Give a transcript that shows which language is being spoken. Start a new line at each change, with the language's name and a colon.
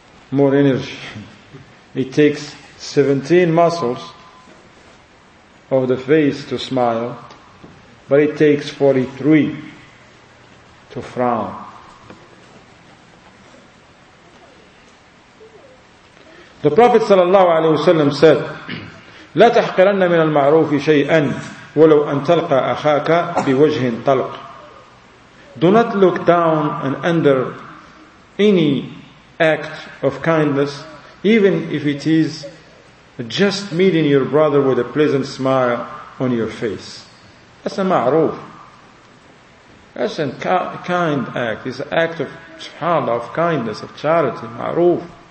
English: More energy. It takes 17 muscles of the face to smile, but it takes 43 to frown. The Prophet
Arabic: صلى الله عليه وسلم
English: said,
Arabic: لا تحقرن من المعروف شيئا ولو أن تلقى أخاك بوجه طلق.
English: Do not look down and under any act of kindness, even if it is just meeting your brother with a pleasant smile on your face. That's a ma'roof. That's a kind act. It's an act of subhanAllah, of kindness, of charity, ma'roof.